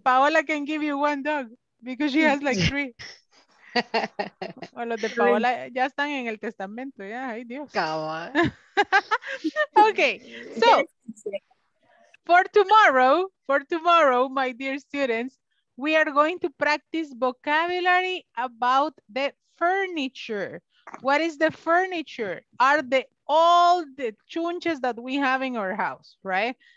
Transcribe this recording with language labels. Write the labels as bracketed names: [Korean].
[English] Paola can give you one dog because she has like three. [Spanish] O los de Paola ya están en el testamento. Ya, ay Dios. [English] Okay, so for tomorrow, my dear students, we are going to practice vocabulary about the furniture. What is the furniture? Are the all the chunches that we have in our house, right?